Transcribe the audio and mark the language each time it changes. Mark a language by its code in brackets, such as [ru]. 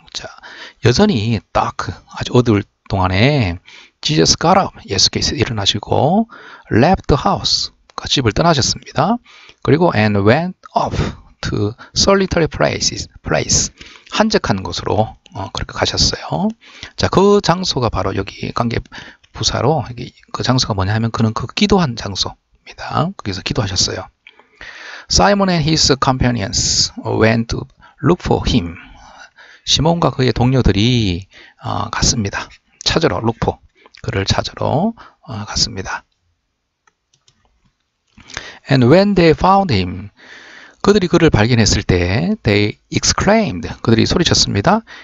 [ko] 자, 여전히 dark, 아주 어두울 동안에 [en] Jesus got up, [ko] 예수께서 일어나시고 [en] left the house, [ko] 그 집을 떠나셨습니다. [en] 그리고 and went off to solitary place, [ko] 한적한 곳으로 그렇게 가셨어요. 자, 그 장소가 바로 여기 관계 부사로 여기 그 장소가 뭐냐 하면 그는 그 기도한 장소입니다. 거기서 기도하셨어요. [en] Simon and his companions went to look for him. [ko] 시몬과 그의 동료들이 갔습니다. 찾으러 룩포 그를 찾으러 갔습니다. [en] And when they found him, [ko] 그들이 그를 발견했을 때, [en] they exclaimed, [ko] 그들이 소리쳤습니다.